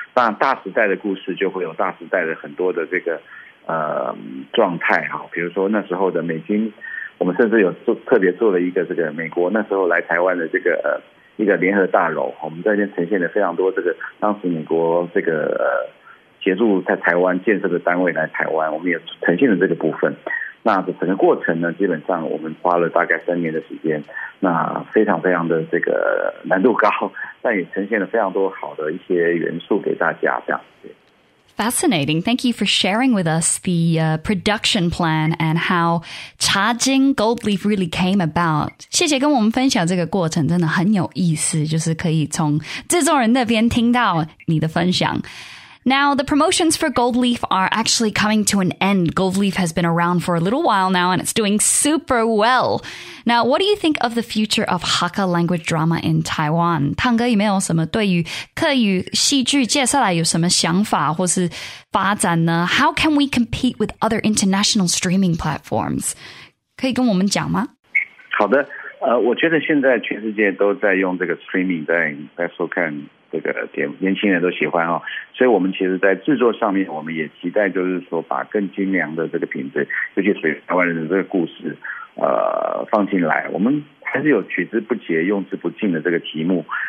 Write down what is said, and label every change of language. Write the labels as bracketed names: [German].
[Chinese] 那大时代的故事就会有大时代的很多的这个状态哈，比如说那时候的美军，我们甚至有特别做了一个这个美国那时候来台湾的这个一个联合大楼，我们在那边呈现了非常多这个当时美国这个协助在台湾建设的单位来台湾，我们也呈现了这个部分。那整个过程呢，基本上我们花了大概3年的时间，那非常非常的这个难度高，但也呈现了非常多好的一些元素给大家这样子。 [English] Fascinating. Thank you for sharing with us the production plan and how 茶经 Gold Leaf really came about. [Chinese] 谢谢跟我们分享这个过程，真的很有意思，就是可以从制作人那边听到你的分享。 [English] Now, the promotions for Gold Leaf are actually coming to an end. Gold Leaf has been around for a little while now, and it's doing super well. Now, what do you think of the future of Hakka language drama in Taiwan? [Chinese] 汤哥有没有什么对于客语戏剧接下来有什么想法或是发展呢? [English] How can we compete with other international streaming platforms? [Chinese] 可以跟我们讲吗? 好的,我觉得现在全世界都在用这个 streaming 在收看。这个年轻人都喜欢哦，所以我们其实在制作上面我们也期待就是说把更精良的这个品质，尤其是台湾人的这个故事放进来，我们还是有取之不竭用之不尽的这个题目。